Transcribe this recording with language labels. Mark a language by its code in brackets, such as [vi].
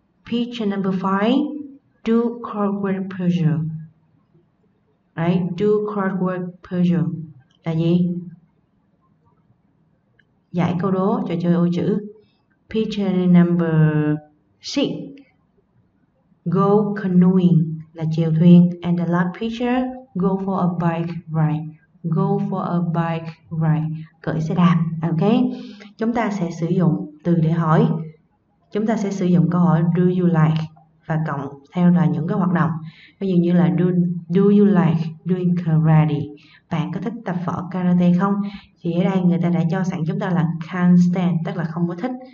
[en] Picture number 5. Do crossword puzzle. Right, do crossword puzzle [vi] là gì? Giải câu đố, trò chơi ô chữ. [en] Picture number 6. Go canoeing [vi] là chèo thuyền. [en] And the last picture, go for a bike ride. Go for a bike ride, [vi] cưỡi xe đạp. [en] Okay. [vi] Chúng ta sẽ sử dụng từ để hỏi. Chúng ta sẽ sử dụng câu hỏi [en] do you like [vi] và cộng theo là những cái hoạt động. Ví dụ như là [en] do you like doing karate? [vi] Bạn có thích tập võ karate không? Thì ở đây người ta đã cho sẵn chúng ta là can't stand, tức là không có thích.